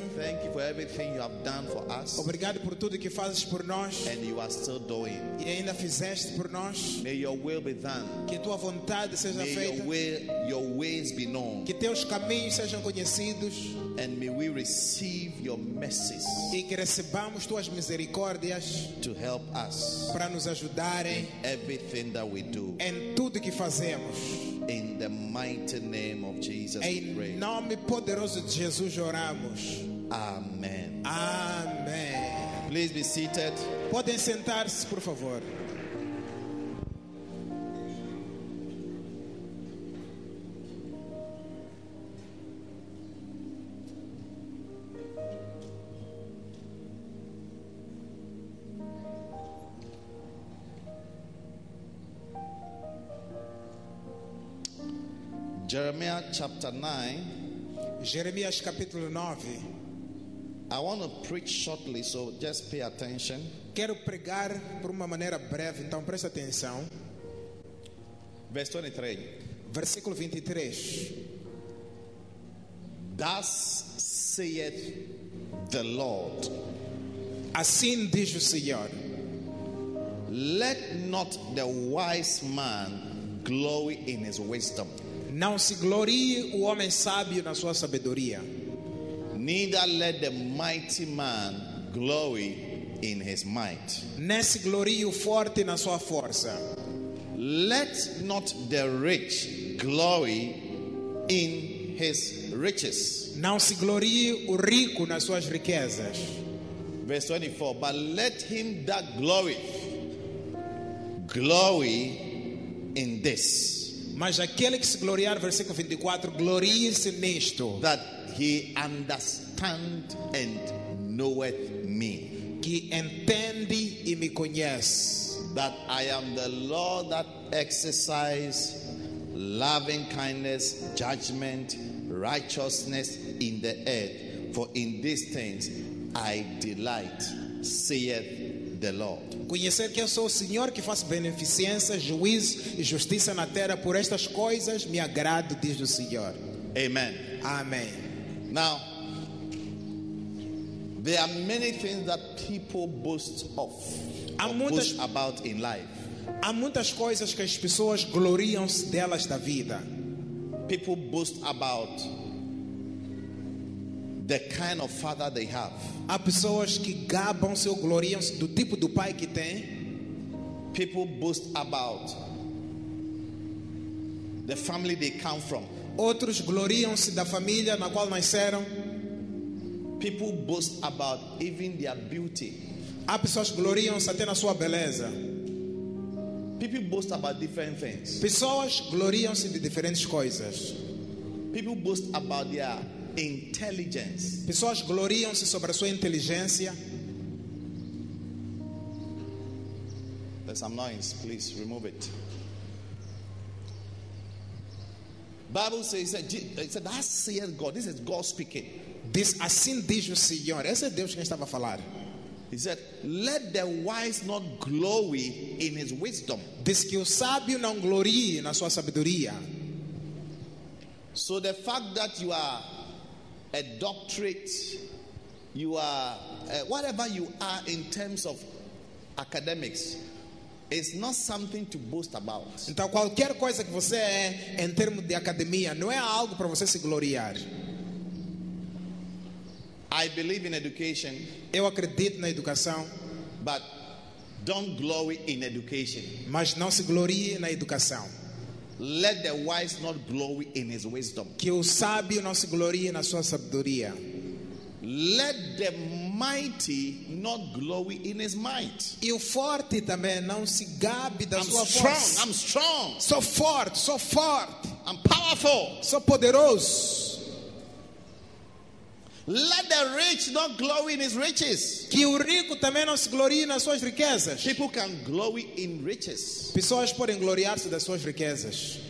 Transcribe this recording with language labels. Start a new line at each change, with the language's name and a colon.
English: Thank you for everything you have done for us.
Portuguese: Obrigado por tudo que fazes por nós.
English: And you are still doing.
Portuguese: E ainda fizeste por nós.
English: May your will be done.
Portuguese: Que tua vontade seja
English: may
Portuguese: feita.
English: Your ways be known.
Portuguese: Que teus caminhos sejam conhecidos.
English: And may we receive your mercies.
Portuguese: E que recebamos tuas misericórdias.
English: To help us.
Portuguese: Para nos ajudarem.
English: Everything that we do.
Portuguese: Em tudo que fazemos.
English: In the mighty name of Jesus we pray.
Portuguese: Em nome poderoso de Jesus oramos.
English: Amen.
Portuguese: Amen.
English: Please be seated.
Portuguese: Podem sentar-se, por favor.
English: Jeremiah chapter 9.
Portuguese: Jeremias capítulo 9.
English: I want to preach shortly, so just pay attention.
Portuguese: Quero pregar por uma maneira breve, então preste atenção.
English: Verse 23.
Portuguese: Versículo 23.
English: Thus saith the Lord.
Portuguese: Assim diz o Senhor.
English: Let not the wise man glory in his wisdom.
Portuguese: Não se glorie o homem sábio na sua sabedoria.
English: Neither let the mighty man glory in his might.
Portuguese: Nem se glorie o forte na sua força.
English: Let not the rich glory in his riches.
Portuguese: Não se glorie o rico nas suas riquezas.
English: Verse 24. But let him that glorieth glory in this.
Portuguese: Mas aquele que se gloriar, versículo 24, glorie-se nisto.
English: That he understand and knoweth me.
Portuguese: Que entende e me conhece.
English: That I am the Lord that exercise loving kindness, judgment, righteousness in the earth. For in these things I delight, saith the Lord.
Portuguese: Conhecer que eu sou o Senhor que faço beneficência, juízo e justiça na terra, por estas coisas me agrado, diz o Senhor.
English: Amen.
Portuguese: Amém.
English: Now, there are many things that people boast of, boast about in life.
Portuguese: Há muitas coisas que as pessoas gloriam-se delas da vida.
English: People boast about the kind of father they have.
Portuguese: Há pessoas que gabam-se ou gloriam-se do tipo do pai que tem.
English: People boast about the family they come from.
Portuguese: Outros gloriam-se da família na qual nasceram.
English: People boast about even their beauty.
Portuguese: Há pessoas que gloriam-se até na sua beleza.
English: People boast about different things.
Portuguese: Pessoas gloriam-se de diferentes coisas.
English: People boast about their intelligence.
Portuguese: Pessoas gloriam-se sobre a sua inteligência.
English: There's some noise, please remove it. Bible says that thus saith God. This is God speaking. This
Portuguese: assim diz o Senhor. Esse é Deus quem estava a falar.
English: He said, let the wise not glory in his wisdom.
Portuguese: Diz que o sábio não glorie na sua sabedoria.
English: So the fact that you are a doctorate, you are whatever you are in terms of academics, is not something to boast about.
Portuguese: Então qualquer coisa que você é em termos de academia não é algo para você se gloriar.
English: I believe in education.
Portuguese: Eu acredito na educação.
English: But don't glory in education.
Portuguese: Mas não se glorie na educação.
English: Let the wise not glory in his wisdom.
Portuguese: Que o sábio não se glorie na sua sabedoria.
English: Let the mighty not glory in his might.
Portuguese: E o forte também não se gabe da
English: I'm
Portuguese: sua
English: strong,
Portuguese: força.
English: I'm strong.
Portuguese: Sou forte, sou forte.
English: I'm powerful.
Portuguese: Sou poderoso.
English: Let the rich not glory in his riches.
Portuguese: Que o rico também não se glorie nas suas riquezas.
English: People can glory in riches.
Portuguese: Pessoas podem gloriar-se das suas riquezas.